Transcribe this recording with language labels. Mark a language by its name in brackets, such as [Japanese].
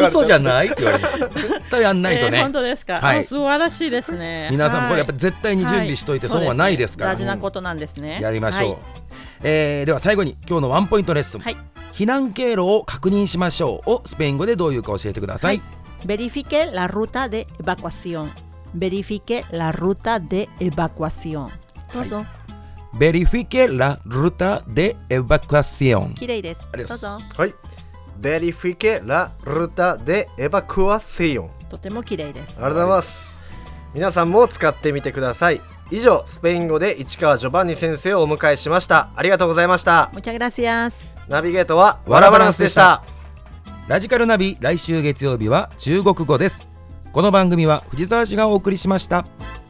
[Japanese] て、嘘じゃないって言われました、絶対やんないとね、本当ですか、はい、素晴らしいですね、皆さんこれやっぱ絶対に準備しといて損はないですから、はい、ね、大事なことなんですね、うん、やりましょう、はい、では最後に今日のワンポイントレッスン、はい、避難経路を確認しましょうをスペイン語でどういうか教えてください。 [Spanish] Verifique la ruta de evacuación. Verifique la ruta de evacuación. [Japanese] どうぞ。 [Spanish] Verifique la ruta de evacuación. [Japanese] きれいです。どうぞ。はい。 [Spanish] Verifique la ruta de evacuación. [Japanese] とてもきれいです。ありがとうございます。皆さんも使ってみてください。以上、スペイン語で市川ジョバンニ先生をお迎えしました。ありがとうございました。 [Spanish] Muchas gracias. [Japanese] ナビゲートはワラバランスでした。ラジカルナビ、来週月曜日は中国語です。この番組は藤沢氏がお送りしました。